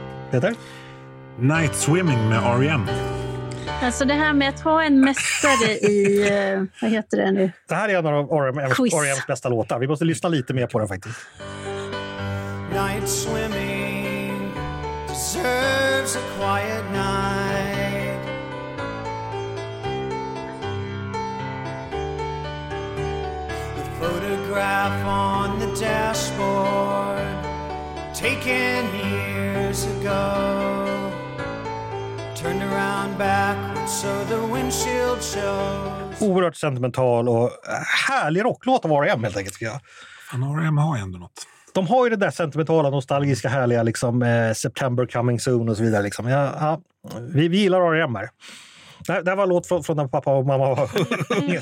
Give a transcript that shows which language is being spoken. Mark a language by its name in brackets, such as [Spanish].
[Swedish] Peter? Night Swimming med R.E.M. Alltså det här med att ha en mästare i... vad heter det nu? Det här är en av R.E.M.s bästa låtar. Vi måste lyssna lite mer på den faktiskt. [English] Night swimming deserves a quiet night. The photograph on the dashboard taken years ago, turned around back so the windshield shows. [Swedish] Oerhört sentimental och härlig rocklåt av R.E.M. helt enkelt, tycker jag. Fan, R.E.M. har ju ändå något. De har ju det där sentimentala, nostalgiska, härliga liksom, [English] September coming soon [Swedish] och så vidare liksom. Vi gillar R.E.M. här. Det här var låt från när pappa och mamma var unga.